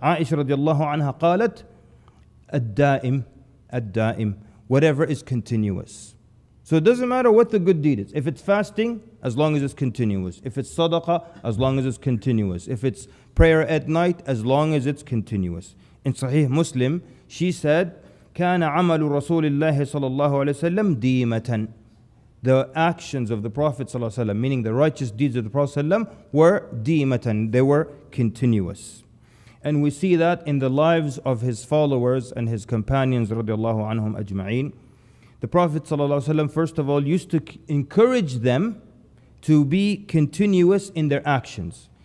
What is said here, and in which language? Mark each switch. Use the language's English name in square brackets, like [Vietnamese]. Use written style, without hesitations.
[English] Aisha radiallahu anha qalat, ad-da'im, whatever is continuous. So it doesn't matter what the good deed is. If it's fasting, as long as it's continuous. If it's sadaqah, as long as it's continuous. If it's prayer at night, as long as it's continuous. In Sahih Muslim, she said, [Arabic] كَانَ عَمَلُ رَسُولِ اللَّهِ صَلَى اللَّهُ عَلَيْهِ وَسَلَّمْ دِيمَةً. [English] The actions of the Prophet صلى الله عليه وسلم, meaning the righteous deeds of the Prophet صلى الله عليه وسلم, were دِيمَةً. They were continuous. And we see that in the lives of his followers and his companions, [Arabic] رضي الله عنهم أجمعين. [English] The Prophet ﷺ, first of all, used to encourage them to be continuous in their actions.